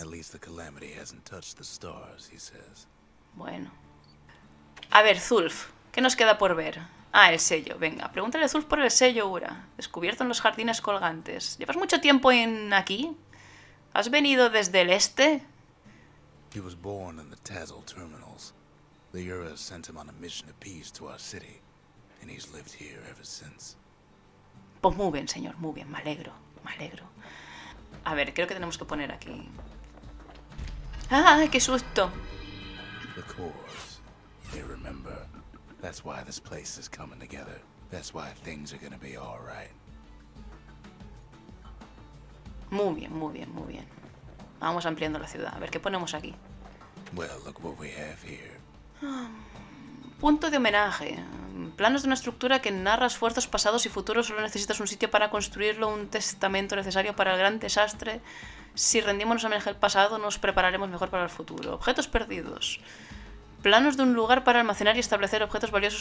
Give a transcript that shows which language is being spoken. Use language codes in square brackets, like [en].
[en] At least the calamity hasn't touched the stars, he says. [es] Bueno. A ver, Zulf, ¿qué nos queda por ver? Ah, el sello. Venga, pregúntale a Zulf por el sello, Ura. Descubierto en los jardines colgantes. ¿Llevas mucho tiempo en aquí? ¿Has venido desde el este? [en] He was born in the Tazzil terminals. The Uras sent him on a mission of peace to our city, and he's lived here ever since. [es] Pues muy bien, señor, muy bien, me alegro. A ver, creo que tenemos que poner aquí. ¡Ah, qué susto! [en] The cores, you remember. That's why this place is coming together. That's why things are gonna be all right. [es] Muy bien. Vamos ampliando la ciudad. A ver, ¿qué ponemos aquí? [en] Well, look what we have here. [es] Punto de homenaje. Planos de una estructura que narra esfuerzos pasados y futuros. Solo necesitas un sitio para construirlo, un testamento necesario para el gran desastre. Si rendimos homenaje al pasado, nos prepararemos mejor para el futuro. Objetos perdidos. Planos de un lugar para almacenar y establecer objetos valiosos.